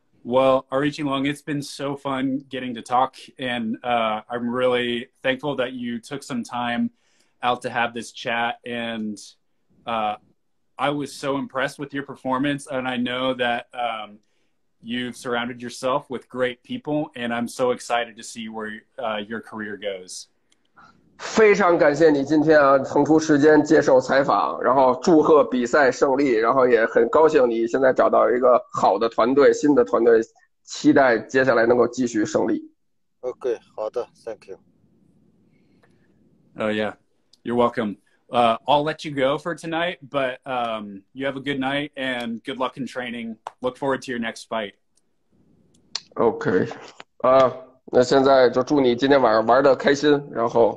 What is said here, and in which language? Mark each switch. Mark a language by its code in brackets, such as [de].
[en] Well, Aoriqileng, it's been so fun getting to talk, and I'm really thankful that you took some time out to have this chat, and I was so impressed with your performance, and I know that you've surrounded yourself with great people, and I'm so excited to see where your career goes. [zh] 非常感谢你今天啊腾出时间接受采访，然后祝贺比赛胜利，然后也很高兴你现在找到一个好的团队，新的团队，期待接下来能够继续胜利。 [en] OK, [zh] 好的 [en] ,thank you. Oh yeah, you're welcome. I'll let you go for tonight, but you have a good night and good luck in training. Look forward to your next fight. [zh] OK, 那现在就祝你今天晚上玩得开心，然后